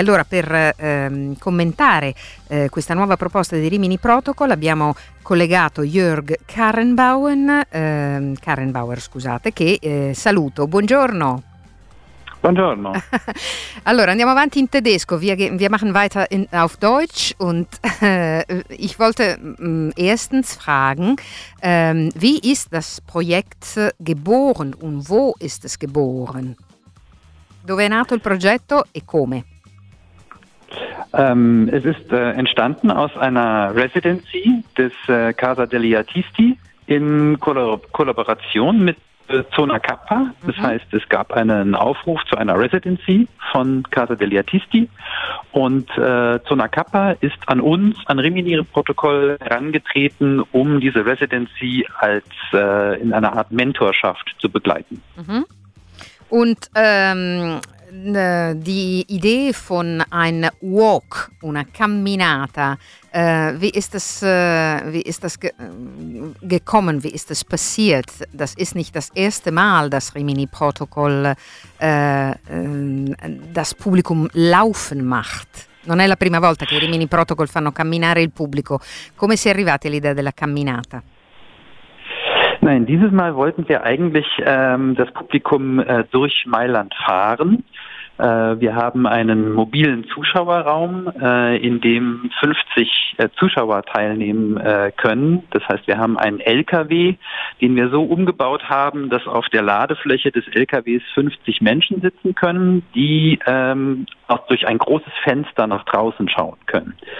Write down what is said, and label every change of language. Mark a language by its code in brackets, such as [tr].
[it] Allora, per commentare questa nuova proposta di Rimini Protocol abbiamo collegato Jörg Karrenbauer, che saluto. Buongiorno. Buongiorno. Allora, andiamo avanti in tedesco. [de] Wir machen weiter auf Deutsch. Und ich wollte erstens fragen, wie ist das Projekt geboren und wo ist es geboren? [it] Dove è nato il progetto e come? [de] Es ist entstanden aus einer Residency des Casa degli Artisti in Kollaboration mit Zona K, das heißt, es gab einen Aufruf zu einer Residency von Casa degli Artisti, und Zona K ist an uns, an Rimini Protocol, herangetreten, um diese Residency als in einer Art Mentorschaft zu begleiten. Mhm. Und die Idee von ein Walk, [it] una camminata, [de] wie ist das gekommen, wie ist das passiert? Das ist nicht das erste Mal, dass Rimini Protocol das Publikum laufen macht. [it] Non è la prima volta che Rimini Protocol fanno camminare il pubblico. Come si è arrivati all'idea della camminata? [de] Nein, dieses Mal wollten wir eigentlich das Publikum durch Mailand fahren. Wir haben einen mobilen Zuschauerraum, in dem 50 Zuschauer teilnehmen können. Das heißt, wir haben einen LKW, den wir so umgebaut haben, dass auf der Ladefläche des LKWs 50 Menschen sitzen können, die auch durch ein großes Fenster nach draußen schauen können.